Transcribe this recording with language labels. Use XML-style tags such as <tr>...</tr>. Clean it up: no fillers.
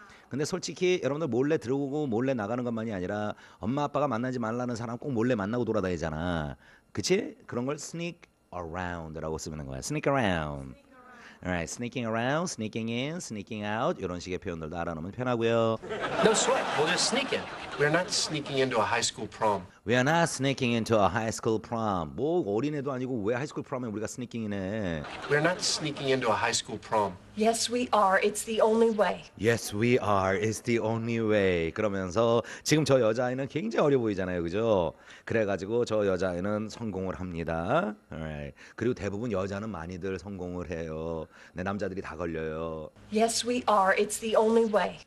<ko>근데 솔직히 여러분들 몰래 들어오고 몰래 나가는 것만이 아니라 엄마 아빠가 만나지 말라는 사람 꼭 몰래 만나고 돌아다니잖아. 그치? 그런 걸</ko> <en>sneak around</en> <ko>라고 쓰면 되는 거야.</ko> <en>Sneak around. Alright, sneaking around, sneaking in, sneaking out.</en> <ko>이런 식의 표현들도 알아놓으면 편하고요.</ko> <en>No sweat. We'll just sneak in. We're not sneaking into a high school prom. We are not sneaking into a high school prom.</en> <ko>뭐 어린애도 아니고 왜</ko> <en>high school prom</en> <ko>에 우리가</ko> <en>sneaking</en> <ko>이네?</ko> <en>We're not sneaking into a high school prom. Yes, we are. It's the only way. Yes, we are. It's the only way.</en> <ko>그러면서 지금 저 여자아이는 굉장히 어려 보이잖아요, 그죠? 그래가지고 저 여자아이는 성공을 합니다.</ko> <en>Alright.</en> <ko>그리고 대부분 여자는 많이들 성공을 해요. 내 남자들이 다 걸려요.</ko> <en>Yes, we are. It's the only way.</en>